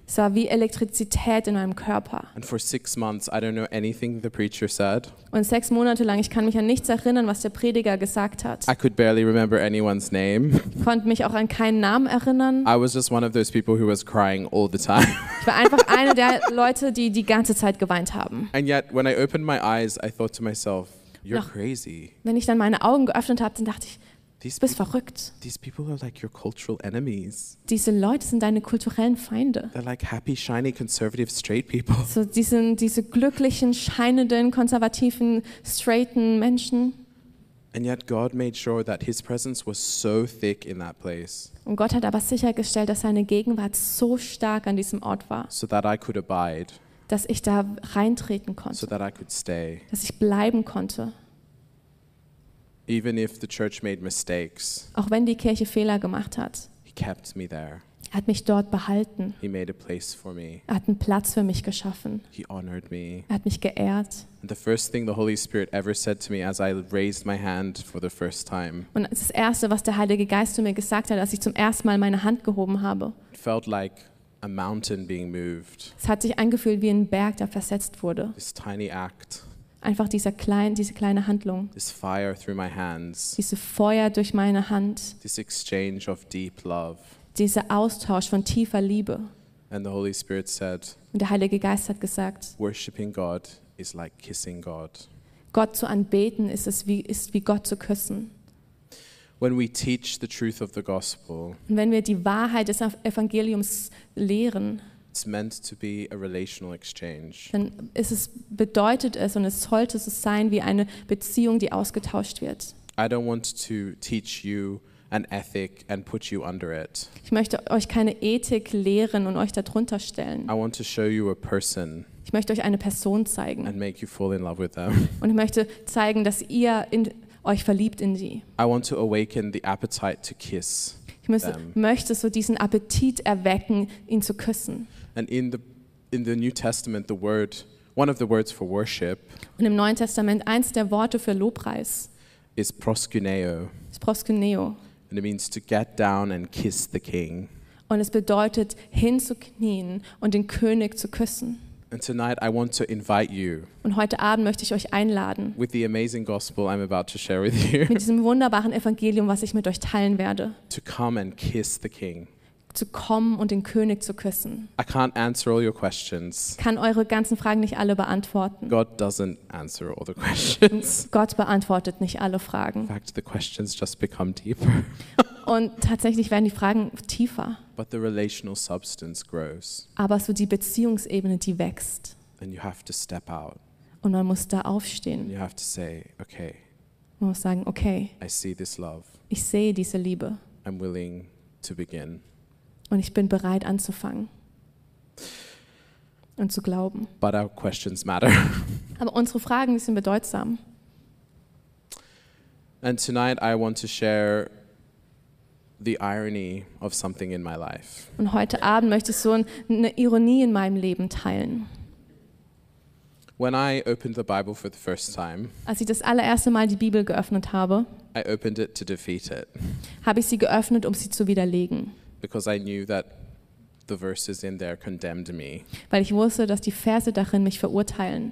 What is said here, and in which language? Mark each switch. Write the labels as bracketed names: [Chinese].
[German] Es war wie Elektrizität in meinem Körper. [English] And for 6 months, I don't know anything the preacher said. [German] Und 6 Monate lang, ich kann mich an nichts erinnern, was der Prediger gesagt hat. [English] I could barely remember anyone's name. [German] Konnte mich auch an keinen Namen erinnern. [English] I was just one of those people who was crying all the time. [German] Ich war einfach einer der Leute, die die ganze Zeit geweint haben. [English] And yet, when I opened my eyes, I thought to myself, "You're crazy." [German] Wenn ich dann meine Augen geöffnet habe, dann dachte ich. Du bist verrückt. [English] These people are like your cultural enemies. [German] Diese Leute sind deine kulturellen Feinde. [English] They're like happy, shiny, conservative, straight people. [German] So diese glücklichen, scheinenden, konservativen, straighten Menschen. [English] And yet God made sure that his presence was so thick in that place. [German] Und Gott hat aber sichergestellt, dass seine Gegenwart so stark an diesem Ort war. [English] So that I could abide. [German] Dass ich da reintreten konnte. [English] So that I could stay. [German] Dass ich bleiben konnte. [English] Even if the church made mistakes, [German] auch wenn die Kirche Fehler gemacht hat, [English] he kept me there. [German] Er hat mich dort behalten. [English] He made a place for me. [German] Er hat einen Platz für mich geschaffen. [English] He honored me. [German] Er hat mich geehrt. [English] And the first thing the Holy Spirit ever said to me as I raised my hand for the first time. [German] Und das erste, was der Heilige Geist zu mir gesagt hat, als ich zum ersten Mal meine Hand gehoben habe, [English] felt like a mountain being moved. [German] Es hat sich angefühlt wie ein Berg, der versetzt wurde. [English] This tiny act. [German] Einfach diese kleine Handlung. [English] This fire through my hands. [German] Diese Feuer durch meine Hand. [English] This exchange of deep love. [German] Dieser Austausch von tiefer Liebe. [English] And the Holy Spirit said, [German] und der Heilige Geist hat gesagt, [English] worshiping God is like kissing God. [German] Gott zu anbeten ist wie Gott zu küssen. [English] When we teach the truth of the gospel, [German] wenn wir die Wahrheit des Evangeliums lehren, [English] it's meant to be a relational exchange. [German] Dann ist es bedeutet es und es sollte es sein wie eine Beziehung, die ausgetauscht wird. [English] I don't want to teach you an ethic and put you under it. [German] Ich möchte euch keine Ethik lehren und euch darunter stellen. [English] I want to show you a person. [German] Ich möchte euch eine Person zeigen. [English] And make you fall in love with them. [German] Und ich möchte zeigen, dass ihr in euch verliebt in sie. [English] I want to awaken the appetite to kiss. [German] Möchte so diesen Appetit erwecken, ihn zu küssen. [English] And in the New Testament, the word, one of the words for worship. [German] Und im Neuen Testament eins der Worte für Lobpreis. [English] Is proskuneo. [German] Ist proskuneo. [English] And it means to get down and kiss the king. [German] Und es bedeutet hinzuknien und den König zu küssen. [English] And tonight I want to invite you. [German] Und heute Abend möchte ich euch einladen. [English] With the amazing gospel I'm about to share with you. [German] Mit diesem wunderbaren Evangelium, was ich mit euch teilen werde. [English] To come and kiss the king. [German] zu kommen und den König zu küssen. [English] I can't answer all your questions. [German] Kann eure ganzen Fragen nicht alle beantworten. [English] God doesn't answer all the questions. [German] Gott beantwortet nicht alle Fragen. [English] In fact, the questions just become deeper. [German] Und tatsächlich werden die Fragen tiefer. [English] But the relational substance grows. [German] Aber so die Beziehungsebene, die wächst. [English] And you have to step out. [German] Und man muss da aufstehen. [English] You have to say, okay. [German] Man muss sagen, okay. [English] I see this love. [German] Ich sehe diese Liebe. [English] I'm willing to begin. [German] Und ich bin bereit anzufangen und zu glauben. [English] But our questions matter. [German] Aber unsere Fragen, die sind bedeutsam. [English] And tonight I want to share the irony of something in my life. [German] Und heute Abend möchte ich so eine Ironie in meinem Leben teilen. [English] When I opened the Bible for the first time, [German] als ich das allererste Mal die Bibel geöffnet habe, [English] I opened it to defeat it. [German] Habe ich sie geöffnet, um sie zu widerlegen. [English] Because I knew that the verses in there condemned me. [German] Weil ich wusste, dass die Verse darin mich verurteilen.